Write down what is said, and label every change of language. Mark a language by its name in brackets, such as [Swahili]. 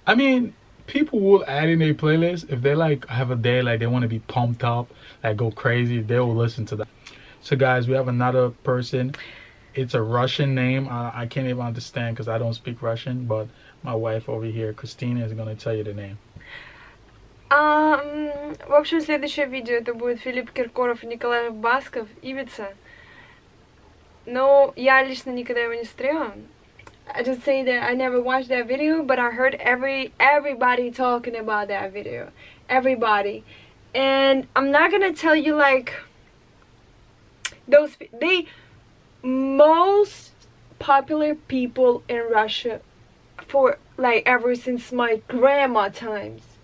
[English] I mean, people will add in a playlist if they like have a day, like they want to be pumped up, like go crazy, they will listen to that. So guys, we have another person. It's a Russian name. I can't even understand because I don't speak Russian, but my wife over here, Christina, is gonna tell you the name. [Russian] В общем, следующее видео это будет Филипп Киркоров и Николай Басков, Ibiza. Но я лично никогда его не стрела. [English] I just say that I never watched that video, but I heard everybody talking about that video. Everybody. And I'm not gonna tell you, like, those, they, most popular people in Russia for, like, ever since my grandma times.